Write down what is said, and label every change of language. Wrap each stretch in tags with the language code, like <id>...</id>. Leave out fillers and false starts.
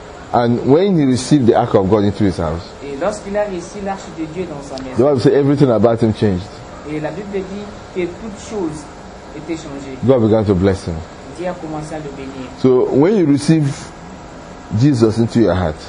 <en>And when he received the ark of God into his house,</en> <fr>lorsqu'il a reçu l'arche de Dieu dans sa maison,</fr> <en>the Bible says everything about him changed.</en> <fr>Et la Bible dit que toute chose était changée.</fr> <en>God began to bless him.</en> <fr>Dieu a commencé à le bénir.</fr> <en>So when you receive Jesus into your heart,</en>